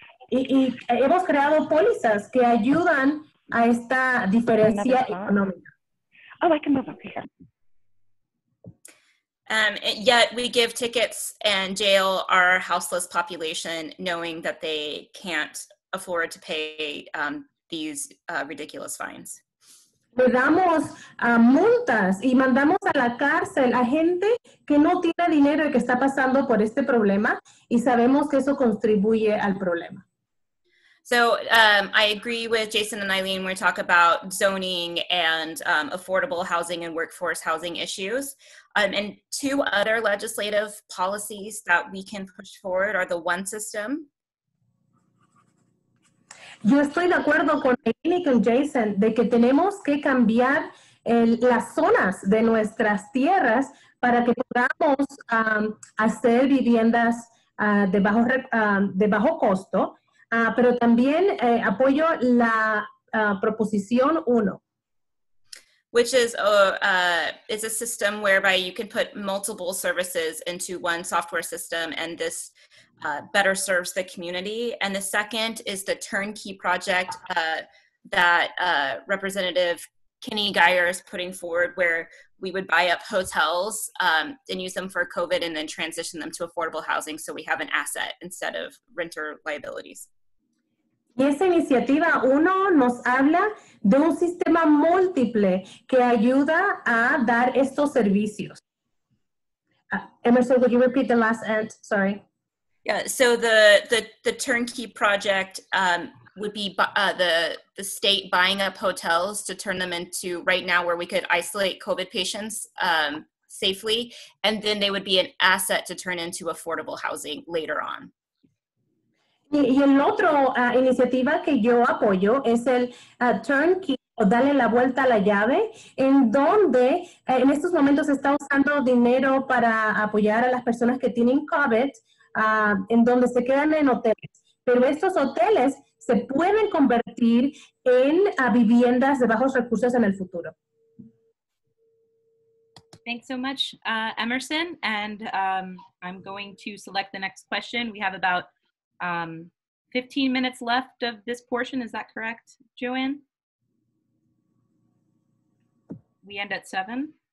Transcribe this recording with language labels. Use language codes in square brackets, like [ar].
[es] Y hemos creado pólizas que ayudan a esta diferencia económica. [en] Oh, I can move up here. Yet we give tickets and jail our houseless population knowing that they can't afford to pay these ridiculous fines. [es] Le damos multas y mandamos a la cárcel a gente que no tiene dinero y que está pasando por este problema y sabemos que eso contribuye al problema. [en] So I agree with Jason and Eileen when we talk about zoning and affordable housing and workforce housing issues. And two other legislative policies that we can push forward are the one system. [es] Yo estoy de acuerdo con Eileen y con Jason de que tenemos que cambiar las zonas de nuestras tierras para que podamos hacer viviendas de bajo costo. Pero también apoyo la proposición uno. [en] Which is it's a system whereby you can put multiple services into one software system, and this better serves the community. And the second is the turnkey project that Representative Kenny Geyer is putting forward, where we would buy up hotels and use them for COVID and then transition them to affordable housing so we have an asset instead of renter liabilities. [es] Y esa iniciativa uno nos habla de un sistema múltiple que ayuda a dar estos servicios. [en] Emerson, would you repeat the last end? Sorry. Yeah, so the turnkey project would be the state buying up hotels to turn them into, right now, where we could isolate COVID patients safely, and then they would be an asset to turn into affordable housing later on. [es] Y el otro iniciativa que yo apoyo es el turnkey, o darle la vuelta a la llave, en donde en estos momentos está usando dinero para apoyar a las personas que tienen COVID, en donde se quedan en hoteles. Pero estos hoteles se pueden convertir en viviendas de bajos recursos en el futuro. [en] Thanks so much, Emerson. And I'm going to select the next question. We have about 15 minutes left of this portion. Is that correct, Joanne? We end at 7?